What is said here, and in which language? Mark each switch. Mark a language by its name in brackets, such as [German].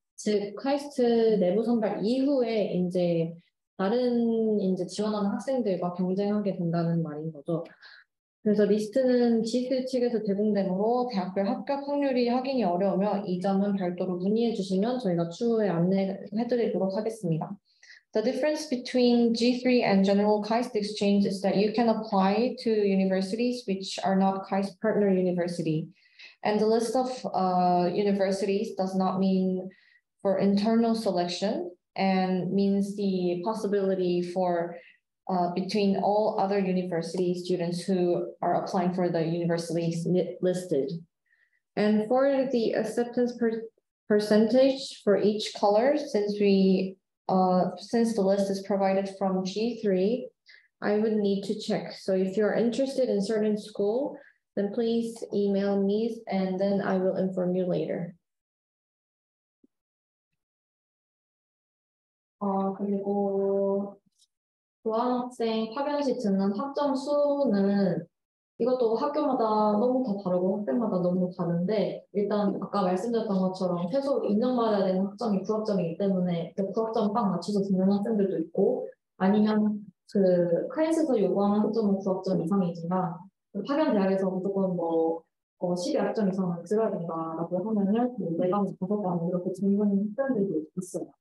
[Korean] 즉, 타이스트 내부 선발 이후에 이제 다른 이제 지원하는 학생들과 경쟁하게 된다는 말인 거죠. 그래서 리스트는 G3 측에서 제공되므로 대학별 합격 확률이 확인이 어려우며 이 점은 별도로 문의해 주시면 저희가 추후에 안내해 드리도록 하겠습니다. [English] The difference between G3 and general KAIST exchange is that you can apply to universities which are not KAIST partner university. And the list of universities does not mean for internal selection and means the possibility for between all other university students who are applying for the universities listed. And for the acceptance percentage for each color, since the list is provided from G3, I would need to check. So if you're interested in certain school, then please email me and then I will inform you later. [Korean] 그리고 교환학생 파견 시 듣는 학점 수는 이것도 학교마다 너무 다 다르고 학생마다 너무 다른데 일단 아까 말씀드렸던 것처럼 최소 인정받아야 되는 학점이 9학점이기 때문에 그 9학점 딱 맞춰서 듣는 학생들도 있고 아니면 그 카이스트에서 요구하는 학점은 9학점 이상이지만 파견 대학에서 무조건 뭐 12학점 이상은 들어야 된다라고 하면은 뭐 내가 5학점 안 이렇게 질문하는 학생들도 있어요.